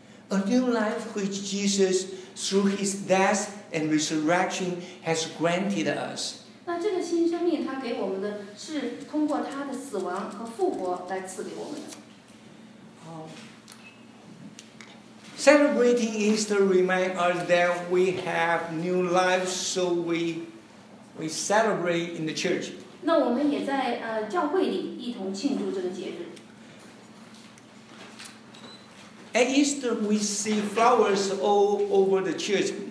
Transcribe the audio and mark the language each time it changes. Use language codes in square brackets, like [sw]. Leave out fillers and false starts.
[en] A new life which Jesus, through his death and resurrection, has granted us. [zh] 那这个新生命他给我们的是通过他的死亡和复活来赐给我们的。 [en] Celebrating Easter reminds us that we have new lives, so we celebrate in the church. [zh] 那我们也在教会里一同庆祝这个节日。 [en] At Easter, we see flowers all over the church.